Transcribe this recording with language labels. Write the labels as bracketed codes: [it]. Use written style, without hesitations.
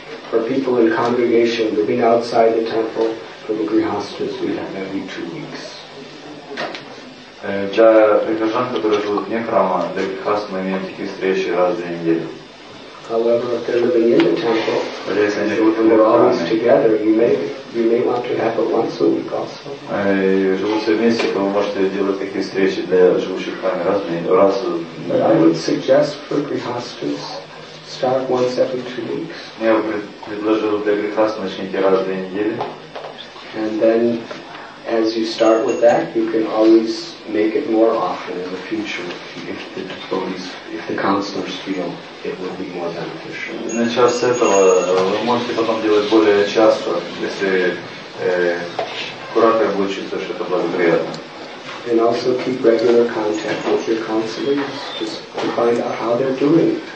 [en] For people in congregation living outside the temple, for the grihastas, we have every 2 weeks. [ru] Для прихожан, которые живут вне храма, для грихаст мы имеем такие встречи раз в неделю. [en] However, if they're living in the temple, they're always together. You may want to have it once a week also. [ru] Живут все вместе, то вы можете делать такие встречи для живущих в храме раз в неделю. [en] But I would suggest for grihastas. Start once every 2 weeks. [ru] Я бы предложил для грехаста начните раз в две недели. [en] And then, as you start with that, you can always make it more often in the future if the devotees, if the counselors feel it will be more beneficial. [ru] Начав с этого, вы можете потом делать более часто, если куратор будет чувствовать, что это благоприятно. [en] And also keep regular contact with your counselors, just to find out how they're doing.